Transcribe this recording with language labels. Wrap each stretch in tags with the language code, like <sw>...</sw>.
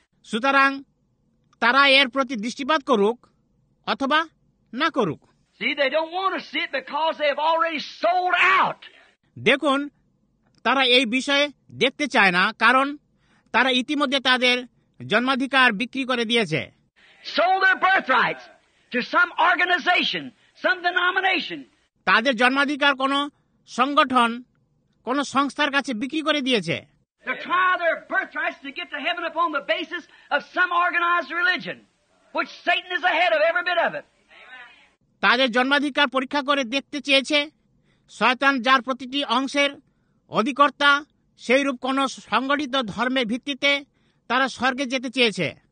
<bn>সুতরাং তারা এর প্রতি দৃষ্টিপাত করুক অথবা না করুক।</bn> <en>See, they don't want to see it because they have already sold out.</en> <bn>দেখুন, তারা এই বিষয়ে দেখতে চায় না, কারণ তারা ইতিমধ্যে তাদের জন্মাধিকার বিক্রি করে দিয়েছে।</bn> <en>Sold their birthrights to some organization, some denomination.</en> <bn>তাদের জন্মাধিকার কোন সংগঠন, কোন সংস্থার কাছে বিক্রি করে দিয়েছে।</bn> <en>They tried their birthrights to get to heaven upon the basis of some organized religion, which Satan is ahead of every bit of it.</en> <bn>তাদের জন্মাধিকার পরীক্ষা করে দেখতে চেয়েছে শয়তান, যার প্রতিটি অংশের অধিকর্তা, সেই রূপ কোন সংগঠিত ধর্মের ভিত্তিতে তারা স্বর্গে যেতে চেয়েছে।</bn>